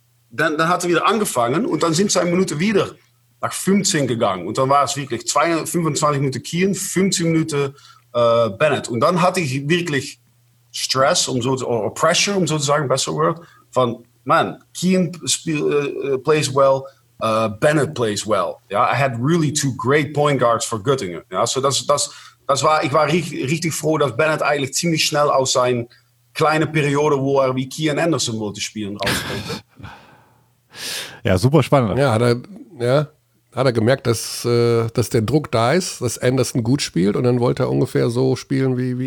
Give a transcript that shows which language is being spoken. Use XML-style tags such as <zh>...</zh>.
<de>Dann hat er wieder angefangen und dann sind seine Minuten wieder nach 15 gegangen. Und dann war es wirklich 25 Minuten Kian, 15 Minuten Bennett. Und dann hatte ich wirklich Stress, oder Pressure, um so zu sagen, besser Wort, von, man,</de> <en>Kian plays well, Bennett plays well. Ja, I had really two great point guards for Göttingen.</en> <de>Ja, so ich war richtig froh, dass Bennett eigentlich ziemlich schnell aus seiner kleinen Periode, wo er wie Kian Anderson wollte spielen, rauskommt. Ja, super spannend. Ja, hat er gemerkt, dass der Druck da ist, dass Anderson gut spielt und dann wollte er ungefähr so spielen wie</de>